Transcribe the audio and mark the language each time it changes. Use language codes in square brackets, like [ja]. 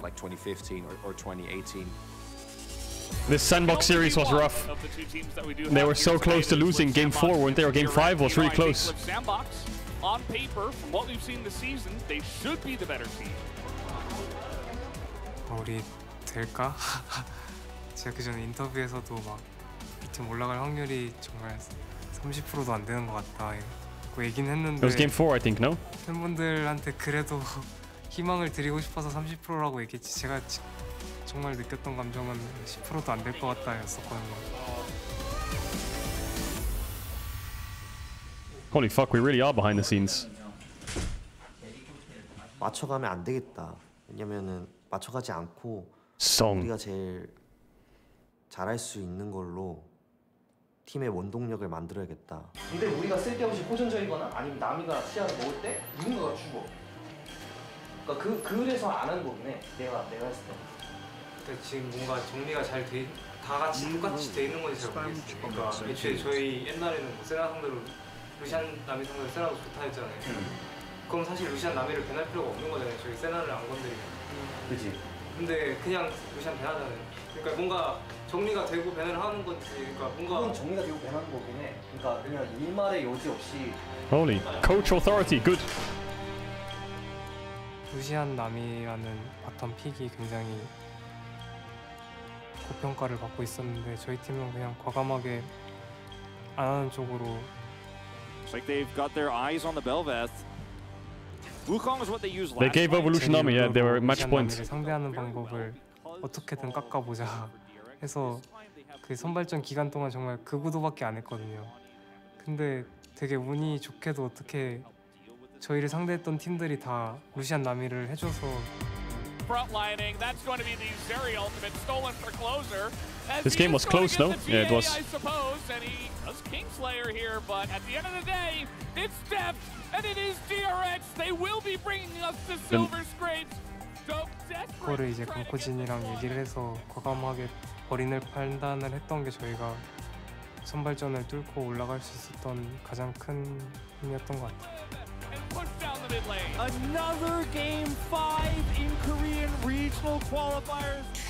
[en] Like 2015 or 2018. This sandbox series was rough. They were so close to losing game 4, weren't they? Or game 5 was really close. Sandbox, on paper, from what we've seen this season, they should be the better team. [ko] 우리 될까? 제가 그 전에 인터뷰에서도 막 B팀 올라갈 확률이 정말 30%도 안 되는 것 같다. 그 얘기는 했는데. [en] It was game 4, I think, no? [ko] 팬분들한테 그래도 희망을 드리고 싶어서 30%라고 얘기했지. 제가 정말 느꼈던 감정은 10%도 안 될 것 같다였었거든요. [en] Holy fuck, we really are behind the scenes. [ko] 맞춰가면 안 되겠다. 왜냐면은 맞춰가지 않고 [en] Song. [ko] 우리가 제일 잘할 수 있는 걸로 팀의 원동력을 만들어야겠다. 근데 우리가 쓸데없이 호전적이거나 아니면 남이가 시야를 먹을 때 누군가가 죽어. 그러니까 그 그래서 안 하는 거긴 해. 내가 했을 때. 근데 지금 뭔가 정리가 잘 돼. 다 같이 똑같이 돼 있는 건지 잘 모르겠어. 그러니까 애초에 저희 옛날에는 뭐 세나 상대로 루시안 남이 상대로 세나도 좋다 했잖아요. 그럼 사실 루시안 남이를 변할 필요가 없는 거잖아요. 저희 세나를 안 건드리면. 그치. 근데 그냥 루시안 변하잖아요. 그러니까 뭔가 정리가 되고 변을 하는 건지. 그러니까 뭔가 그건 정리가 되고 변하는 거긴 해. 그러니까 그냥 일말의 여지 없이. [en] Holy coach authority, good. [ko] 루시안 남이라는 바텀 픽이 굉장히 고평가를 받고 있었는데 저희 팀은 그냥 과감하게 안 하는 쪽으로. [en] It's like they've got their eyes on the Belveth. Wukong is what they use last. They gave over Lucian Army. Yeah, they were match point. [ko] 상대하는 방법을 어떻게든 깎아보자 해서 그 선발전 기간 동안 정말 그 구도밖에 안 했거든요. 근데 되게 운이 좋게도 어떻게 저희를 상대했던 팀들이 다 루시안 나미를 해줘서. [en] Frontlining. That's going to be the very ultimate stolen for closer. This game was close, though. No? Yeah, it was. I suppose, and he does Kingslayer here, but at the end of the day, it's Depth, and it is DRX. They will be bringing us the silver scrapes. Dope. [ko] 그거를 이제 강코진이랑 얘기를 해서 과감하게 버린을 판단을 했던 게 저희가 선발전을 뚫고 올라갈 수 있었던 가장 큰 힘이었던 것 같아요. [en] Another game 5 in Korean regional qualifiers.